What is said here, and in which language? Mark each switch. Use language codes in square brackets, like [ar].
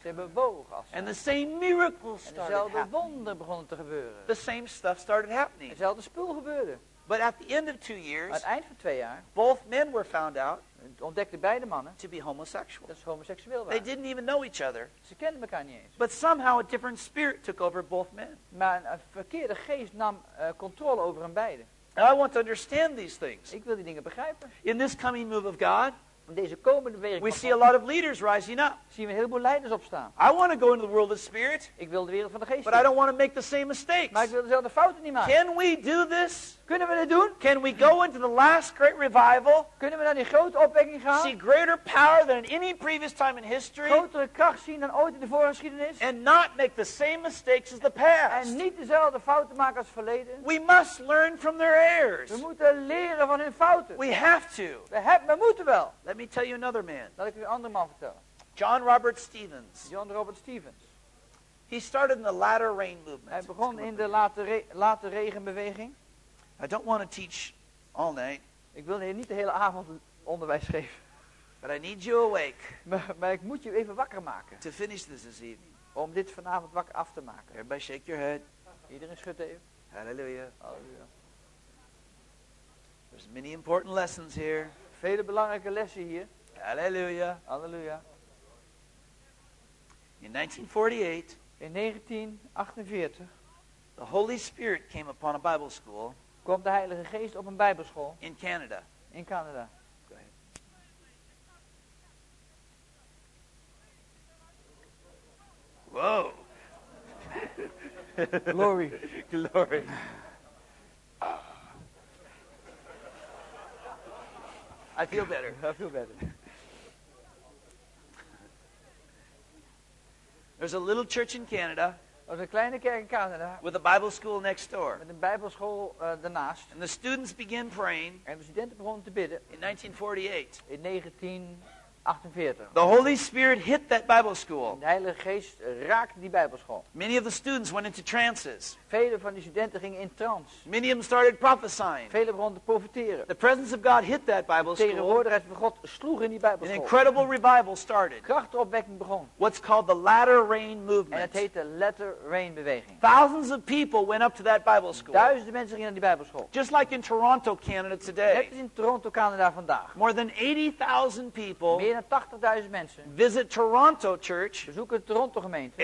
[nl] ze bewogen als zij. [en] And the same miracles started happening. [nl] En dezelfde wonderen begonnen te gebeuren. [en] The same stuff started happening. [nl] Hetzelfde spul gebeurde. [en] But at the end of 2 years, [nl] aan het eind van 2 jaar, [en] both men were found out, [nl] ontdekten beide mannen, [en] to be homosexual. [nl] Dat ze homoseksueel waren. [en] They didn't even know each other. [nl] Ze kenden elkaar niet eens. [en] But somehow a different spirit took over both men. [nl] Maar een verkeerde geest nam controle over hen beiden. [en] And I want to understand these things. [nl] Ik wil die dingen begrijpen. [en] In this coming move of God. [nl] Deze komende wereld. [en] We see a lot of leaders rising up. [nl] Zien we een heleboel leiders opstaan. [en] I want to go into the world of spirit. [nl] Ik wil de wereld van de geest. [en] But I don't want to make the same mistakes. [nl] Maar ik wil dezelfde fouten niet maken. [en] Can we do this? [nl] Kunnen we dit doen? [en] Can we go into the last great revival? [nl] Kunnen we naar die grote opwekking gaan? [en] See greater power than any previous time in history. [nl] Grotere kracht zien dan ooit in de voorgeschiedenis. [en] And not make the same mistakes as the past. [nl] En niet dezelfde fouten maken als verleden. [en] We must learn from their errors. [nl] We moeten leren van hun fouten. [en] We have to. [nl] We moeten wel. [en] Let me tell you another man. [nl] Laat ik u een andere man vertellen. [en] John Robert Stevens. [nl] John Robert Stevens. [en] He started in the latter rain movement. [nl] Hij begon in de late regenbeweging. [en] I don't want to teach all night. [nl] Ik wil hier niet de hele avond onderwijs geven. [en] But I need you awake. [nl] Maar ik moet je even wakker maken. [en] To finish this evening. [nl] Om dit vanavond wakker af te maken. [en] Everybody shake your head. [nl] Iedereen schudt even. Hallelujah. Hallelujah. [en] There's many important lessons here. [nl] Vele belangrijke lessen hier. Hallelujah. Hallelujah. [en] In 1948. [nl] In 1948. [en] The Holy Spirit came upon a Bible school. [nl] Komt de Heilige Geest op een Bijbelschool? [en] In Canada. [nl] In Canada. [en] Go ahead. Whoa. Glory. Glory. I feel better. I feel better. There's a little church in Canada. [nl] Er was een kleine kerk in Canada. [en] With a Bible school next door. [nl] Met een Bijbelschool daarnaast. [en] And the students began praying. [nl] En de studenten begonnen te bidden. [en] In 1948. [nl] In 1948. [en] The Holy Spirit hit that Bible school. [nl] De Heilige Geest raakte die Bijbelschool. [en] Many of the students went into trances. [nl] Vele van die studenten gingen in trance. [en] Many of them started prophesying. [nl] Vele begonnen te profeteren. [en] The presence of God hit that Bible school. [nl] De tegenwoordigheid van God sloeg in die Bijbelschool. [en] An incredible revival started. [nl] Krachtopwekking begon. [en] What's called the latter rain movement. [nl] En dat heet de latter rain beweging. [en] Thousands of people went up to that Bible school. [nl] Duizenden mensen gingen naar die Bijbelschool. [en] Just like in Toronto, Canada today. [nl] Net als in Toronto, Canada vandaag. [en] More than 80,000 people. [nl] Meer meer dan 80.000 mensen. [en] Visit Toronto Church. [nl] Bezoeken de Toronto gemeente.